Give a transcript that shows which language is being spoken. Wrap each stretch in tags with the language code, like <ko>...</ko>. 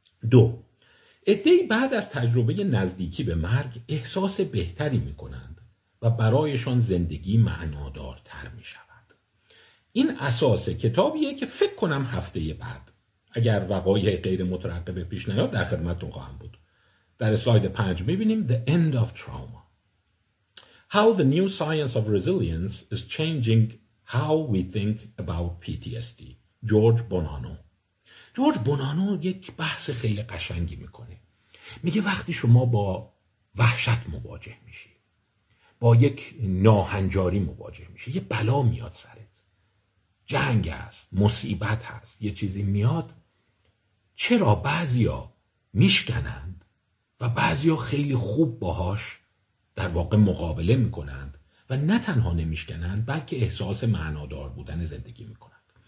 <fa>دو، عده‌ای بعد از تجربه نزدیکی به مرگ احساس بهتری می‌کنند و برایشان زندگی معنادارتر می‌شود. این اساس کتابیه که فکر کنم هفته بعد اگر وقایع غیر مترقبه پیش نیاد در خدمتتون خواهم بود. در اسلاید 5 می‌بینیم</fa> <en>The End of Trauma. How the new science of resilience is changing how we think about PTSD.</en> <fa>جورج بونانو. جورج بونانو یک بحث خیلی قشنگی میکنه. میگه وقتی شما با وحشت مواجه میشی، با یک ناهنجاری مواجه میشی، یه بلا میاد سرت، جنگ هست، مصیبت هست، یه چیزی میاد، چرا بعضیا میشکنند و بعضیا خیلی خوب باهاش در واقع مقابله میکنند و نه تنها نمیشکنند بلکه احساس معنادار بودن زندگی میکنند.</fa>